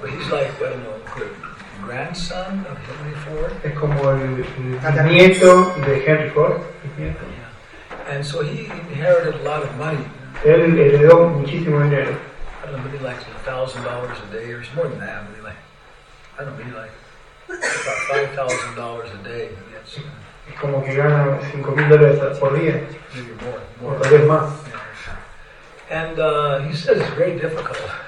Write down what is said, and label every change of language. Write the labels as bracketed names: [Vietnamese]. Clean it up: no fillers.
[English] But he's like, well, no, grandson of Henry Ford. [Spanish] Es como el nieto de Henry Ford. [English] Yeah. And so he inherited a lot of money. [Spanish] Él heredó muchísimo dinero. [English] I don't know, maybe like $1,000 a day, or it's more than that. Maybe like, I don't know, maybe like about $5,000 a day. Yes. [Spanish] Es como que gana $5,000 por día. [English] Maybe more. [Spanish] O tal vez más. [English] Yeah. And he says it's very difficult.